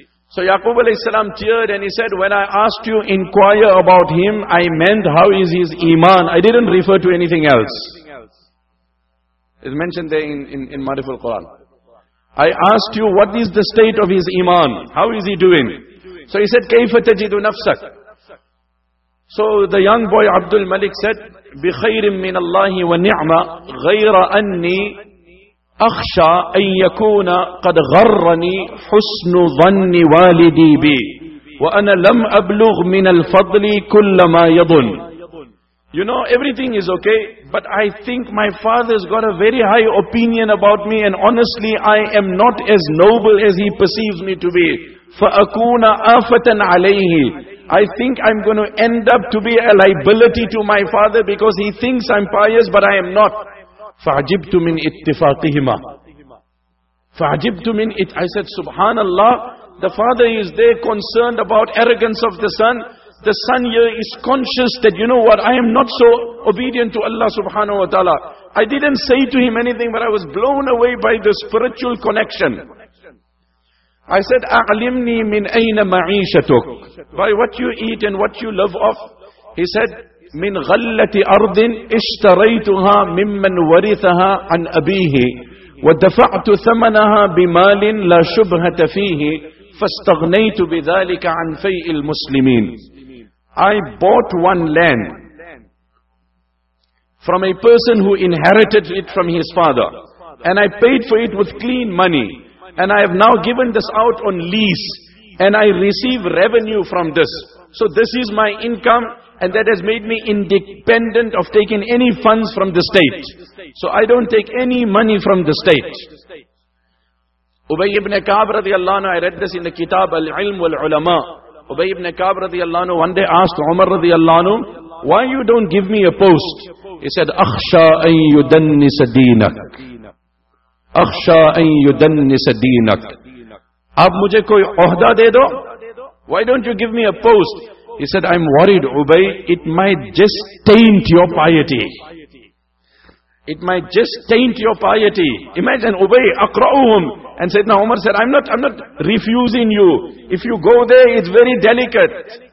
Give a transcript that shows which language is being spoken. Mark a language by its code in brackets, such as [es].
[en] So Yaqub alayhi salam teared and he said, when I asked you inquire about him, I meant how is his iman. I didn't refer to anything else. It's mentioned there in Ma'riful Quran. I asked you what is the state of his iman. How is he doing? So he said, [ar] كَيْفَ تَجِدُ نَفْسَكَ. [en] So the young boy Abdul Malik said, [ar] بِخَيْرٍ مِّنَ اللَّهِ وَنِعْمَ غَيْرَ أَنِّي أَخْشَى أَن يَكُونَ قَدْ غَرَّنِي حُسْنُ ظَنِّ وَالِدِي بِي وَأَنَا لَمْ أَبْلُغْ مِنَ الْفَضْلِ كُلَّ مَا يَضُنْ. [en] You know, everything is okay, but I think my father's got a very high opinion about me, and honestly, I am not as noble as he perceives me to be. [ar] فَأَكُونَ آفَةً عَلَيْهِ. [en] I think I'm going to end up to be a liability to my father because he thinks I'm pious, but I am not. [ar] فَعَجِبْتُ مِنْ اِتِّفَاقِهِمَا. فَعَجِبْتُ مِنْ اِتِّفَاقِهِمَا. [en] I said, subhanallah, the father is there concerned about arrogance of the son. The son here is conscious that, you know what, I am not so obedient to Allah subhanahu wa ta'ala. I didn't say to him anything, but I was blown away by the spiritual connection. I said, [ar] أَعْلِمْنِي مِنْ أَيْنَ مَعِيشَتُكَ. [en] By what you eat and what you love of. He said, [ar] مِنْ غَلَّةِ أَرْضٍ اشْتَرَيْتُهَا مِمَّنْ وَرِثَهَا عَنْ أَبِيهِ وَدَفَعْتُ ثَمَنَهَا بِمَالٍ لَا شُبْهَةَ فِيهِ فَاسْتَغْنَيْتُ بِذَلِكَ عَنْ فَيْءِ الْمُسْلِمِينَ. [en] I bought one land from a person who inherited it from his father, and I paid for it with clean money, and I have now given this out on lease, and I receive revenue from this. So this is my income, And that has made me independent of taking any funds from the state. So I don't take any money from the state. Ubay ibn Ka'b radiallahu anhu, I read this in the Kitab Al-Ilm wal-Ulama. Ubay ibn Ka'b radiallahu anhu one day asked Umar radiallahu anhu, why you don't give me a post? He said, [ar] أَخْشَىٰ أَن يُدَنِّسَ دِينَكَ أَخْشَىٰ أَن يُدَنِّسَ دِينَكَ [ur] آپ مجھے کوئی عہدہ دے دو. [en] Why don't you give me a post? He said, I'm worried, Ubay, it might just taint your piety. It might just taint your piety. Imagine, Ubay, [ar] أَقْرَأُهُمْ [en] And said, now Umar said, I'm not refusing you. If you go there, it's very delicate.